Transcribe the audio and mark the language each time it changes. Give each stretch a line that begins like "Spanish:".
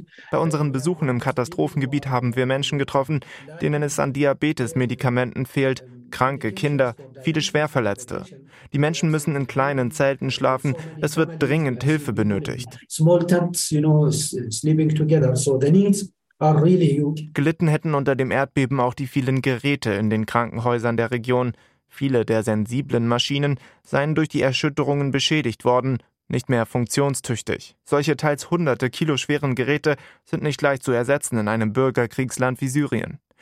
German: Bei unseren Besuchen im Katastrophengebiet haben wir Menschen getroffen, denen es an Diabetes-Medikamenten fehlt, kranke Kinder, viele Schwerverletzte. Die Menschen müssen in kleinen Zelten schlafen, es wird dringend Hilfe benötigt.
English: Small tents, you know, sleeping together, so the needs.
German: Gelitten hätten unter dem Erdbeben auch die vielen Geräte in den Krankenhäusern der Region. Viele der sensiblen Maschinen seien durch die Erschütterungen beschädigt worden, nicht mehr funktionstüchtig. Solche teils hunderte Kilo schweren Geräte sind nicht leicht zu ersetzen in einem Bürgerkriegsland wie Syrien.